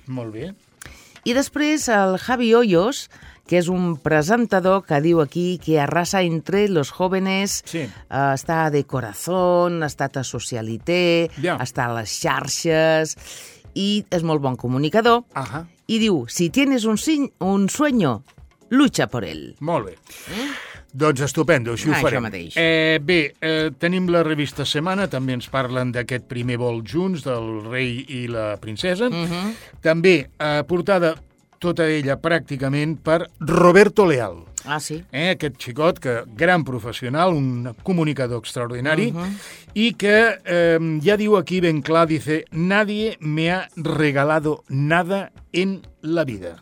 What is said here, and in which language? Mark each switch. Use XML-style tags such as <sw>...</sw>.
<ca>Molt bé. I després el Javi Hoyos, que és un presentador que diu aquí que</ca> <es>arrasa entre los jóvenes,</es> <ca>està</ca> <es>de corazón,</es> <ca>ha estat a Socialité, està a les xarxes, i és molt bon comunicador. Ajá. I diu,</ca> <es>si tienes un sueño, lucha por él.</es> <ca>Molt bé. Doncs estupendo, així ho farem. Això mateix. Tenim la revista Setmana, també ens parlen d'aquest primer vol junts, del rei i la princesa. Uh-huh. També portada... tota ella pràcticament per Roberto Leal. Ah, sí. Aquest xicot, que gran professional, un comunicador extraordinari, i que ja diu aquí ben clar,</ca> <es>dice, nadie me ha regalado nada en la vida.</es>